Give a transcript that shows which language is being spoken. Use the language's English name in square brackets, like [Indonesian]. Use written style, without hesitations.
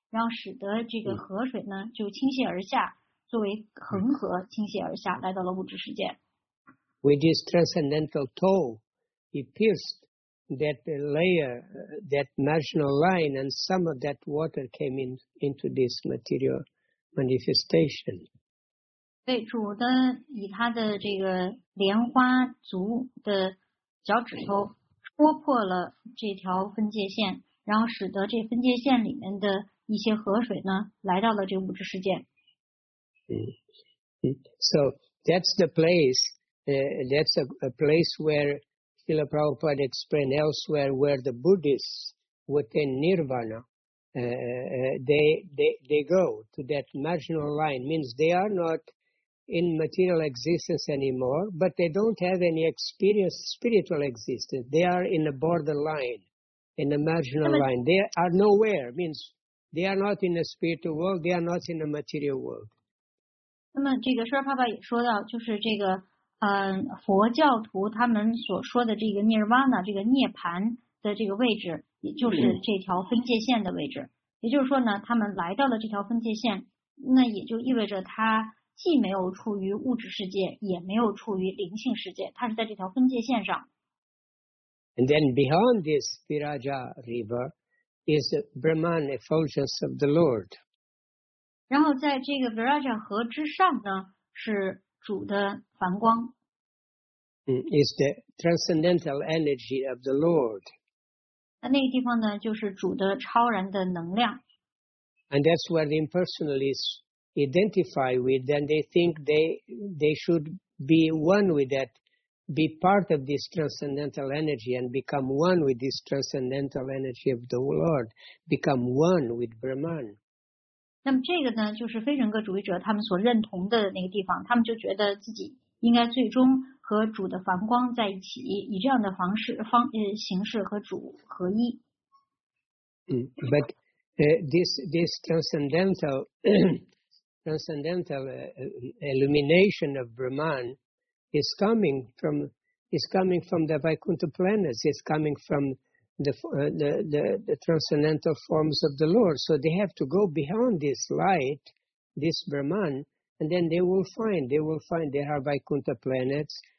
[Chinese] 然后使得这个河水呢就倾泻而下，作为恒河倾泻而下，来到了物质世界。 [English] With his transcendental toe, he pierced that layer, that marginal line, and some of that water came into this material manifestation. [Chinese] 对，主的以他的这个莲花足的脚趾头戳破了这条分界线，然后使得这分界线里面的一些河水呢来到了这个物质世界。 [English] So that's the place, that's a place where Srila Prabhupada explained elsewhere where the Buddhists within Nirvana, they go to that marginal line, means they are not in material existence anymore, but they don't have any experience spiritual existence. They are in a borderline, in a marginal line. They are nowhere, means they are not in a spiritual world, they are not in a material world. [Chinese] 那么这个舍尔帕爸也说到，就是这个，佛教徒他们所说的这个涅槃呢，这个涅槃的这个位置，也就是这条分界线的位置。也就是说呢，他们来到了这条分界线，那也就意味着他既没有处于物质世界，也没有处于灵性世界，他是在这条分界线上。 [English] And then beyond this Viraja River is Brahman effulgence of the Lord. [Chinese] 然后在这个 Viraja 河之上呢，是主的梵光。 [English] Is the transcendental energy of the Lord. [Chinese] 那那个地方呢，就是主的超然的能量。 [English] And that's where the impersonalists identify with, and they think they should be one with that, be part of this transcendental energy and become one with this transcendental energy of the Lord, become one with Brahman. [Chinese] 那么这个呢，就是非人格主义者他们所认同的那个地方，他们就觉得自己应该最终和主的梵光在一起，以这样的方式方形式和主合一。 [English] But this transcendental illumination of Brahman is coming from the Vaikuntha planets. It's coming from the transcendental forms of the Lord, so they have to go beyond this light, this Brahman, and then they will find there are Vaikuntha planets,